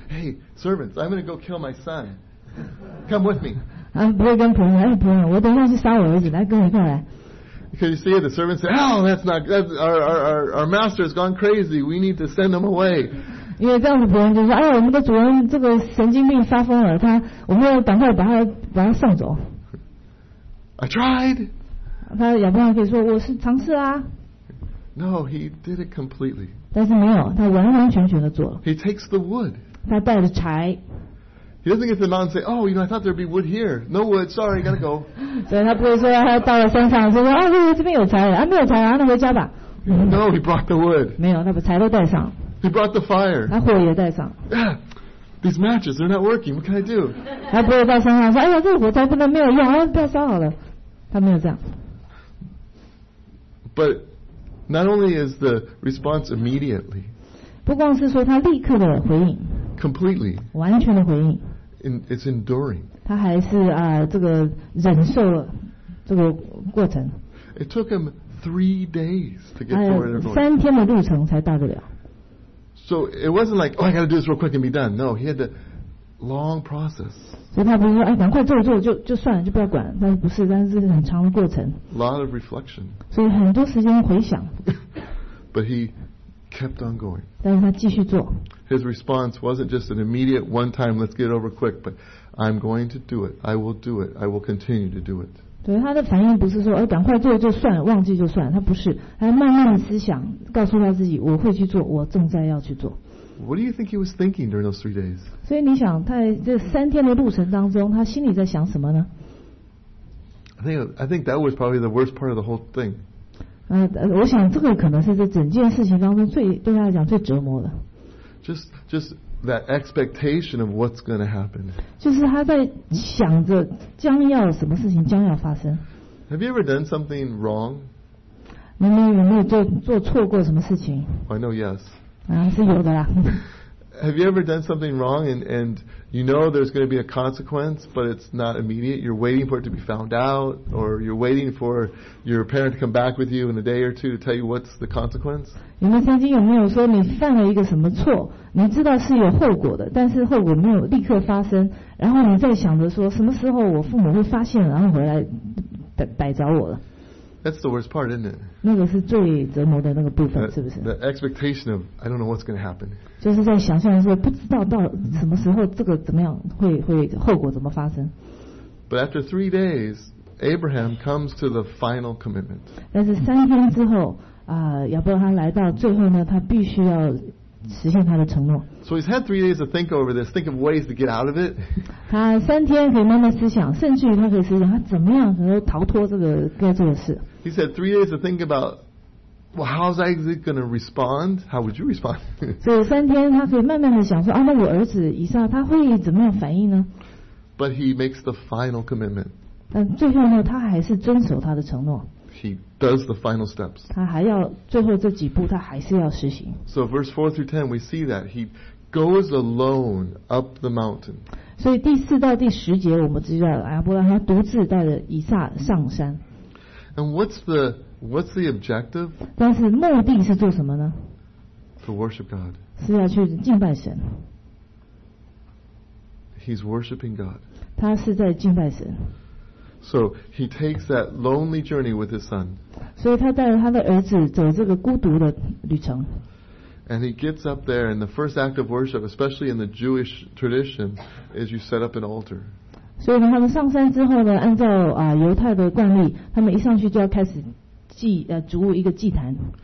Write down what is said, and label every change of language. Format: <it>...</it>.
<en>Hey, servants, I'm going to go kill my son. Come with me.</en> <zh>不会跟仆人,我等一下去杀我儿子,来跟我过来。</zh> <en>Because you see, the servants say, oh, that's not, that's our master has gone crazy. We need to send him away.</en> <zh>因为这样的仆人就说,哎,我们的主人这个神经病发疯了,我们要赶快把他送走。</zh> <en>I tried.</en> <zh>他亚伯拉罕可以说,我是尝试啊。</zh> <en>No, he did it completely.</en> <zh>但是没有,他完完全全的做了。</zh> <en>He takes the wood.</en> <zh>他带着柴。</zh> <en>He doesn't get to the mountain and say, oh, you know, I thought there'd be wood here. No wood, sorry, gotta go.</en> <zh>所以他不会说,他到了山上,说,哦,这边有柴,没有柴,那回家吧。</zh> <en>No, he brought the wood.</en> <zh>没有,他把柴都带上。</zh> <en>He brought the fire.</en> <zh>他火也带上。</zh> <en>Yeah. These matches, they're not working. What can I do?</en> <zh>他不会到山上说，哎呀，这个火柴不能没有用，不要烧好了。他没有这样。</zh> <en>But not only is the response immediately.</en> <zh>不光是说他立刻的回应。</zh> <en>Completely.</en> <zh>完全的回应。</zh> <en>It's enduring.</en> <zh>他还是啊，这个忍受了这个过程。</zh> <en>It took him 3 days to get 4 hours.</en> <zh>三天的路程才到得了。</zh> <en>So it wasn't like, oh, I got to do this real quick and be done. No, he had the long process.</en> <zh>所以他不是说，哎，赶快做做，就算了，就不要管。但是不是，但是很长的过程。</zh> <en>Lot of reflection.</en> <zh>所以很多时间回想。</zh> <en>But he kept on going.</en> <zh>但是他继续做。</zh> <en>His response wasn't just an immediate one time, let's get it over quick, but I'm going to do it. I will do it. I will continue to do it.</en> <zh>对，他的反应不是说，哎，赶快做就算了，忘记就算了。他不是，他慢慢的思想，告诉他自己，我会去做，我正在要去做。</zh> <en>What do you think he was thinking during those 3 days?</en> <zh>所以你想，在这三天的路程当中，他心里在想什么呢？</zh> <en>I think that was probably the worst part of the whole thing.</en> <zh>我想这个可能是这整件事情当中最对他来讲最折磨的。</zh> <en>Just that expectation of what's going to happen.</en> <zh>就是他在想着将要什么事情将要发生。</zh> <en>Have you ever done something wrong?</en> <zh>你们有没有做错过什么事情？</zh> <en>I know yes.</en> <zh>啊，是有的啦。</zh> <en>Have you ever done something wrong and you know there's going to be a consequence, but it's not immediate? You're waiting for it to be found out, or you're waiting for your parent to come back with you in a day or two to tell you what's the consequence?</en> <zh>你们曾经有没有说你犯了一个什么错？你知道是有后果的，但是后果没有立刻发生，然后你在想着说什么时候我父母会发现，然后回来逮着我了？</zh> <en>That's the worst part, isn't it?</en> <zh>那个是最折磨的那个部分，是不是？</zh> <en>The expectation of I don't know what's going to happen.</en> <zh>就是在想象说不知道到什么时候这个怎么样会后果怎么发生。</zh> <en>But after 3 days, Abraham comes to the final commitment.</en> <zh>但是三天之后啊，亚伯他来到最后呢，他必须要实现他的承诺。</zh> <en>So he's had 3 days to think over this, think of ways to get out of it.</en> <zh>他三天可以慢慢思想，甚至于他可以思想他怎么样能够逃脱这个该做的事。</zh> <en>He said 3 days to think about, well, how's Isaac going to respond? How would you respond?</en> <zh>所以三天他可以慢慢的想说，啊，那我儿子以撒他会怎么样反应呢？</zh> <en>But he makes the final commitment.</en> <zh>但最后呢，他还是遵守他的承诺。</zh> <en>He does the final steps.</en> <zh>他还要最后这几步，他还是要实行。</zh> <en>So verse 4-10, we see that he goes alone up the mountain.</en> <zh>所以第四到第十节，我们知道亚伯拉罕独自带着以撒上山。</zh> <en>And what's the objective?</en> <zh>但是目的是做什么呢？</zh> <en>To worship God.</en> <zh>是要去敬拜神。</zh> <en>He's worshiping God.</en> <zh>他是在敬拜神。</zh> <en>So he takes that lonely journey with his son.</en> <zh>所以他带着他的儿子走这个孤独的旅程。</zh> <en>And he gets up there, and the first act of worship, especially in the Jewish tradition, is you set up an altar.</en> <zh>所以呢，他们上山之后呢，按照啊犹太的惯例，他们一上去就要开始筑一个祭坛。</zh>